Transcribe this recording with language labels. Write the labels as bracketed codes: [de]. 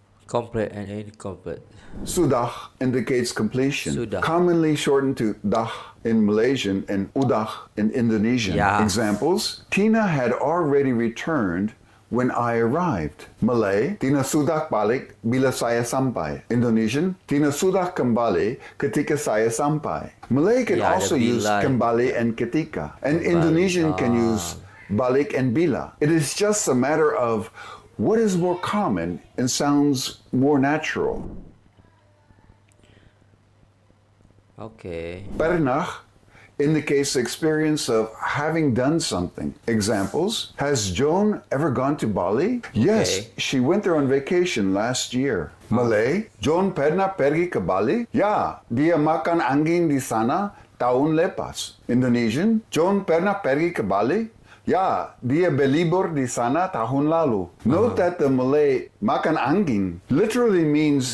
[en] Complete and incomplete. Sudah indicates completion, [id] sudah. [en] Commonly shortened to dah in Malaysian and udah in Indonesian. Yeah. Examples, Tina had already returned when I arrived. [ms] Malay, Tina sudah balik bila saya sampai. [id] Indonesian, Tina sudah kembali ketika saya sampai. [en] Malay can also use kembali and ketika. And kembali. Indonesian can use balik and bila. It is just a matter of what is more common and sounds more natural. Okay. Pernah indicates the experience of having done something. Examples, has Joan ever gone to Bali? Okay. Yes, she went there on vacation last year. [ms] Malay, Joan pernah pergi ke Bali? Ya, dia makan angin di sana tahun lepas. [id] Indonesian, Joan pernah pergi ke Bali? Ya, dia berlibur di sana tahun lalu. [en] Note that the Malay makan angin literally means